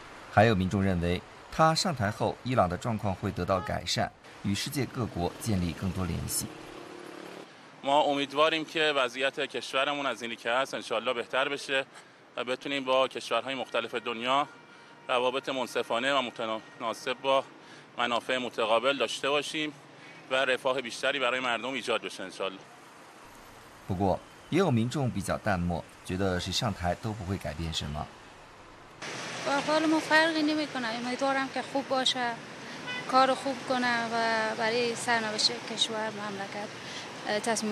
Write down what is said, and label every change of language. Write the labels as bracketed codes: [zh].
[zh] 还有民众认为他上台后伊朗的状况会得到改善，与世界各国建立更多联系。 [fa] ما امیدواریم که وضعیت کشورمون از اینی که هست انشاءالله بهتر بشه و بتونیم با کشورهای مختلف دنیا روابط منصفانه و متناسب با منافع متقابل داشته باشیم و رفاه بیشتری برای مردم ایجاد بشه انشاءالله. [zh] 不过，也有民众比较淡漠，觉得谁上台都不会改变什么。 [fa] با حال ما فرقی نمی‌کنه. امیدوارم که خوب باشه، کار خوب کنه و برای سرنوشت کشور مملکت.